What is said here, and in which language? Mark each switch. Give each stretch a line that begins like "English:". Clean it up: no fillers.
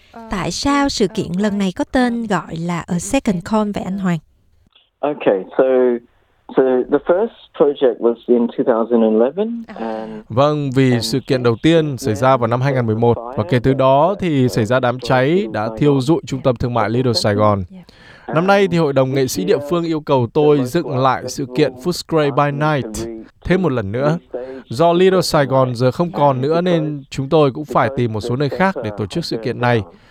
Vietnamese: Tại sao sự kiện lần này có tên gọi là A Second Con vậy anh Hoàng?
English: Okay, so the first project was in 2011.
Vietnamese: Vâng, vì sự kiện đầu tiên xảy ra vào năm 2011 và kể từ đó thì xảy ra đám cháy đã thiêu rụi trung tâm thương mại Little Saigon. Năm nay thì hội đồng nghệ sĩ địa phương yêu cầu tôi dựng lại sự kiện Footscray by Night thêm một lần nữa. Do Little Saigon giờ không còn nữa nên chúng tôi cũng phải tìm một số nơi khác để tổ chức sự kiện này.